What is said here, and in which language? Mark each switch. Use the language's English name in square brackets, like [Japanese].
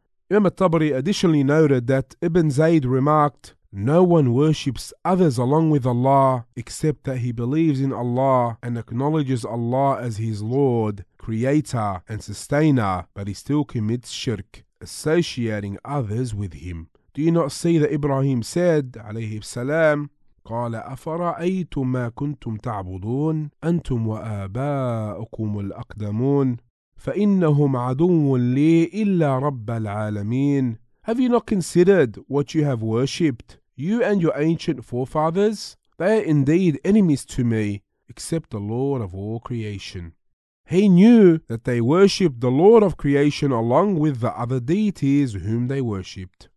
[English] Imam al-Tabari additionally noted that Ibn Zayd remarked, no one worships others along with Allah except that he believes in Allah and acknowledges Allah as his Lord, Creator and Sustainer, but he still commits shirk, associating others with him. Do you not see that Ibrahim said, [Arabic] عليه السلام, قال أفرأيتم ما كنتم تعبدون أنتم وآباؤكم الأقدمون فإنهم عدو لي إلا رب العالمين. [English] Have you not considered what you have worshipped, you and your ancient forefathers? They are indeed enemies to me, except the Lord of all creation. He knew that they worshipped the Lord of creation along with the other deities whom they worshipped.